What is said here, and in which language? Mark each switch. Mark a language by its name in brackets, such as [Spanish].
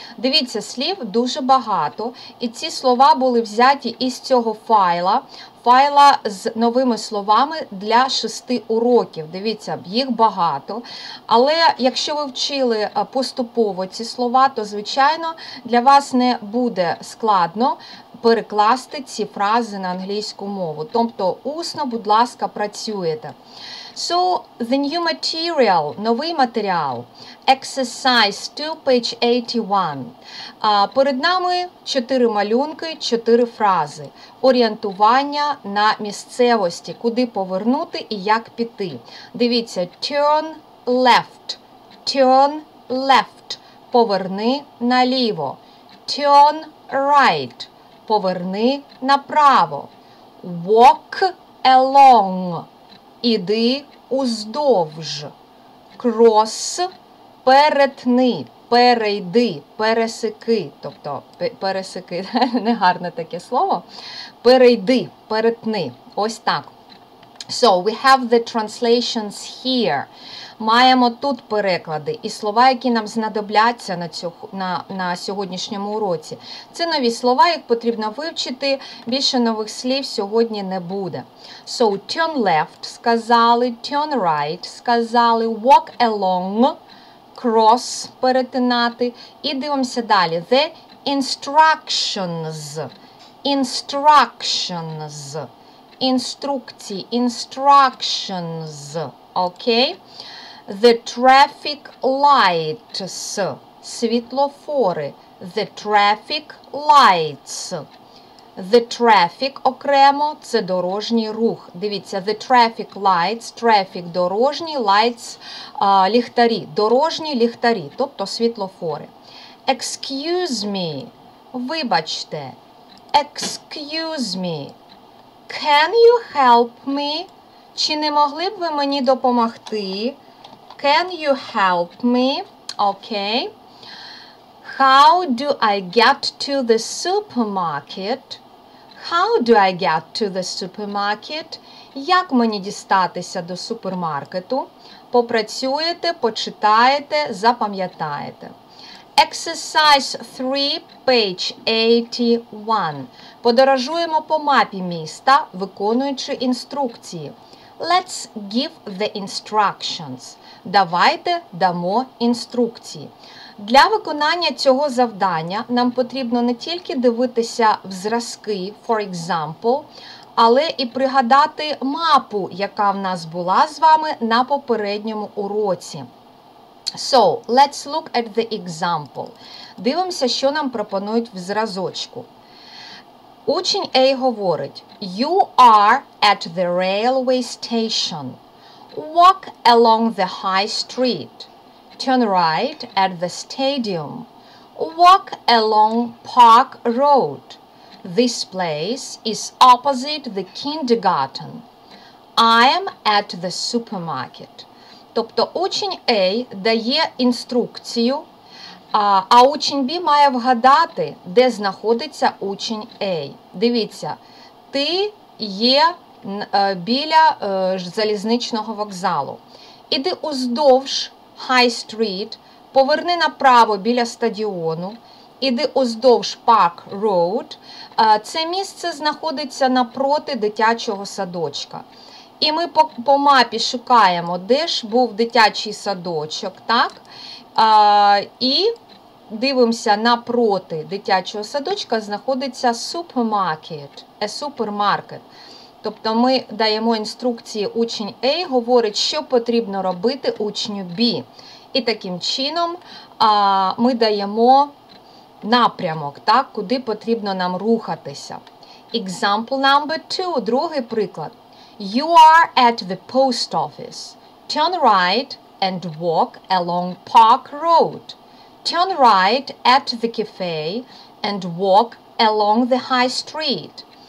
[Ukrainian] Дивіться, слів дуже багато, і ці слова були взяті із цього файла, файла з новими словами для 6 уроків. Дивіться, їх багато. Але якщо ви вчили поступово ці слова, то, звичайно, для вас не буде складно перекласти ці фрази на англійську мову. Тобто, усно, будь ласка, працюєте. [English] So, the new material, [Ukrainian] новий матеріал, [English] exercise 2, page 81. [Ukrainian] Перед нами 4 малюнки, 4 фрази. Орієнтування на місцевості, куди повернути і як піти. Дивіться, [English] turn left, [Ukrainian] поверни наліво, [English] turn right, [Ukrainian] поверни направо, [English] walk along, [Ukrainian] іди уздовж, cross, перетни, перейди, пересеки, тобто пересеки, негарне таке слово, перейди, перетни, ось так. [English] So, we have the translations here. [Ukrainian] Маємо тут переклади і слова, які нам знадобляться на сьогоднішньому уроці. Це нові слова, їх потрібно вивчити, більше нових слів сьогодні не буде. [English] So, turn left, [Ukrainian] сказали, [English] turn right, сказали, walk along, cross, перетинати. [Ukrainian] І дивимося далі. [English] The instructions, instructions, інструкції, instructions, okay? The traffic lights, світлофори, the traffic lights. The traffic [Ukrainian] окремо – це дорожній рух. [English] Дивіться, the traffic lights, traffic – дорожній, lights – ліхтарі. [Ukrainian] Дорожні ліхтарі, тобто світлофори. [English] Excuse me – вибачте. Excuse me – can you help me? [Ukrainian] Чи не могли б ви мені допомогти? [English] Can you help me? Окей. Okay. How do I get to the supermarket? How do I get to the supermarket? [Ukrainian] Як мені дістатися до супермаркету? Попрацюєте, почитаєте, запам'ятаєте. [English] Exercise 3, page 81. [Ukrainian] Подорожуємо по мапі міста, виконуючи інструкції. [English] Let's give the instructions. [Ukrainian] Давайте дамо інструкції. Для виконання цього завдання нам потрібно не тільки дивитися в зразки, [English] for example, [Ukrainian] але і пригадати мапу, яка в нас була з вами на попередньому уроці. [English] So, let's look at the example. [Ukrainian] Дивимося, що нам пропонують в зразочку. Учень A говорить, [English] you are at the railway station. Walk along the high street. Turn right at the stadium. Walk along Park Road. This place is opposite the kindergarten. I am at the supermarket. [Ukrainian] Тобто учень A дає інструкцію, а учень B має вгадати, де знаходиться учень A. Дивіться, ти є біля залізничного вокзалу. Іди уздовж High Street, поверни направо біля стадіону, іди уздовж Park Road. Це місце знаходиться напроти дитячого садочка. І ми по мапі шукаємо, де ж був дитячий садочок, так? І дивимося, напроти дитячого садочка знаходиться supermarket, a supermarket. Тобто ми даємо інструкції учень A, говорить, що потрібно робити учню B. І таким чином ми даємо напрямок, так, куди потрібно нам рухатися. [English] Example number two, [Ukrainian] другий приклад. [English] You are at the post office. Turn right and walk along Park Road. Turn right at the cafe and walk along the high street.